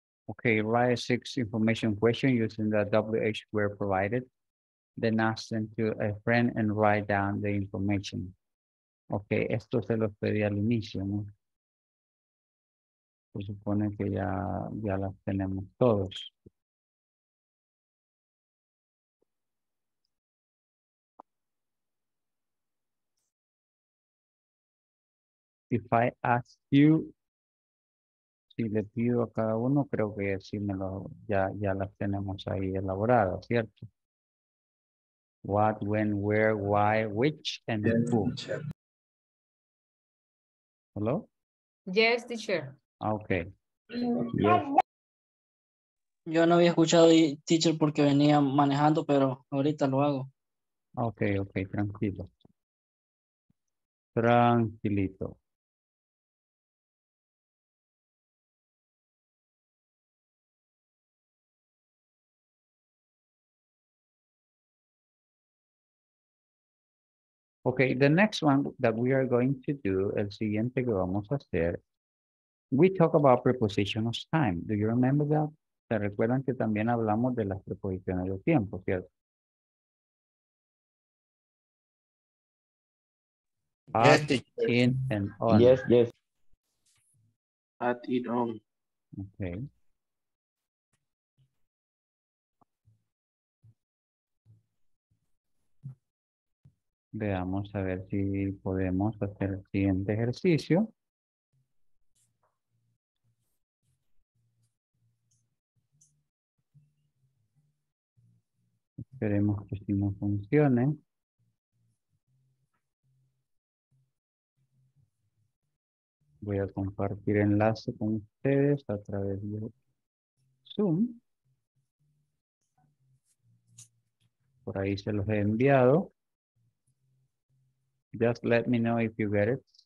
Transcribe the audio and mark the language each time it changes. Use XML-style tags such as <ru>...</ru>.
<en>Okay, write 6 information questions using the WH word provided. Then ask them to a friend and write down the information.</en> <es>Okay, esto se lo pedí al inicio, ¿no? Se supone que ya las tenemos todos.</es> <en>if I ask you,</en> <es>si le pido a cada uno, creo que sí me lo, ya las tenemos ahí elaboradas, ¿cierto?</es> <en>What, when, where, why, which, and then who. Hello? Yes, teacher. Okay. Yes.</en> <es>Yo no había escuchado, teacher, porque venía manejando, pero ahorita lo hago. Okay, okay, tranquilo. Tranquilito.</es> <en>Okay, the next one that we are going to do,</en> <es>el siguiente que vamos a hacer,</es> <en>we talk about preposition of time. Do you remember that?</en> <es>¿Se recuerdan que también hablamos de las preposiciones de tiempo, cierto?</es> <en>At, in, and on. Yes, yes. At, in, on. Okay.</en> <es>Veamos a ver si podemos hacer el siguiente ejercicio. Esperemos que si no funcione. Voy a compartir enlace con ustedes a través de Zoom. Por ahí se los he enviado.</es> <en>Just let me know if you get it.</en>